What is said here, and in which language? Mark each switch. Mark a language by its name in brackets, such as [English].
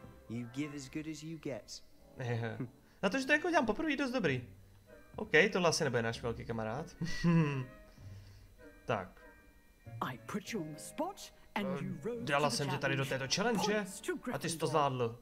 [English] You give as good as you get. [Czech] Na to, že to jako dělám poprvé, dost dobrý. OK, tohle asi nebude náš velký kamarád. Tak. [English] I put you on the spot and you rose. [Czech] Dala jsem tě tady do této challenge a ty jsi to zvládl.